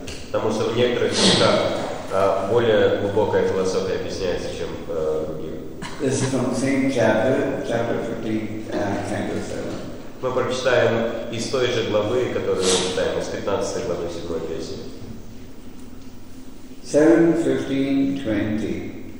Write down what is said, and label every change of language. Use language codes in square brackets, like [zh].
[ru] Потому что в некоторых стихах более глубокая философия объясняется, чем в других. [en] This is from the same chapter 15 and chapter 7. [ru] Мы прочитаем из той же главы, которую мы читаем, из 15 главы 7 песни.